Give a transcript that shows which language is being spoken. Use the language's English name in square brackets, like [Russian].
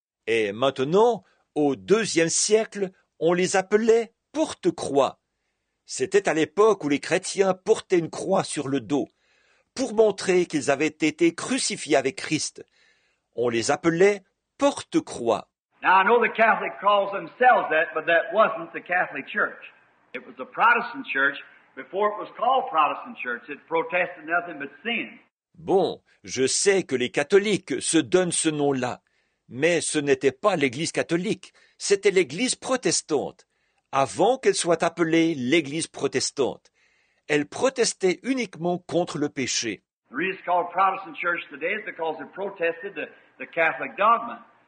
[French] Et maintenant, au deuxième siècle, on les appelait porte-croix. C'était à l'époque où les chrétiens portaient une croix sur le dos, pour montrer qu'ils avaient été crucifiés avec Christ. On les appelait porte-croix. [English] Now I know the Catholic calls themselves that, but that wasn't the Catholic Church. It was the Protestant Church. Before it was called Protestant Church, it protested nothing but sin. [French] Bon, je sais que les catholiques se donnent ce nom-là, mais ce n'était pas l'Église catholique, c'était l'Église protestante. Avant qu'elle soit appelée l'Église protestante, elle protestait uniquement contre le péché. [English] The reason it's called Protestant Church today is because it protested the Catholic dogma.